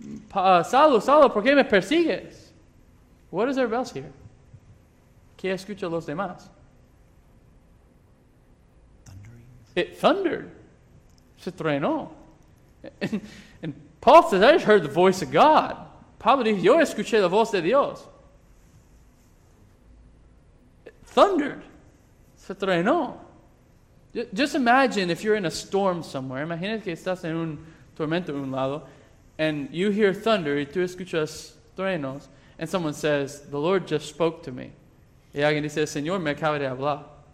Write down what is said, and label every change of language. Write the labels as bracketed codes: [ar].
[es] Saulo, Saulo, ¿por qué me persigues? [en] What is everybody else here? [es] ¿Qué escucha los demás? [en] It thundered. [es] Se truenó. [en] And Paul says, I just heard the voice of God. [es] Pablo dice, yo escuché la voz de Dios. [en] It thundered. [es] Se truenó. [en] Just imagine if you're in a storm somewhere. [es] Imagínate que estás en un tormento en un lado. [en] And you hear thunder [es] y tú escuchas truenos. [en] And someone says, the Lord just spoke to me. [es] Y alguien dice, Señor, me acaba de hablar.